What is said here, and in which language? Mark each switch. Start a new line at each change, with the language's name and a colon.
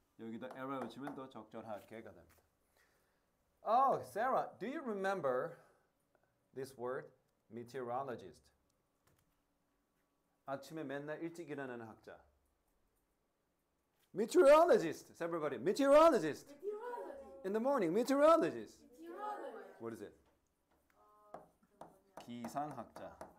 Korean: 여기다 에러 붙이면 더 적절하게가 됩니다.
English: Oh, Sarah, do you remember this word, meteorologist?
Korean: 아침에 맨날 일찍 일어나는 학자.
English: Meteorologist. Is everybody. Meteorologist. Meteorologist. In the morning. Meteorologist. Meteorologist. What is it?
Korean: 기상학자.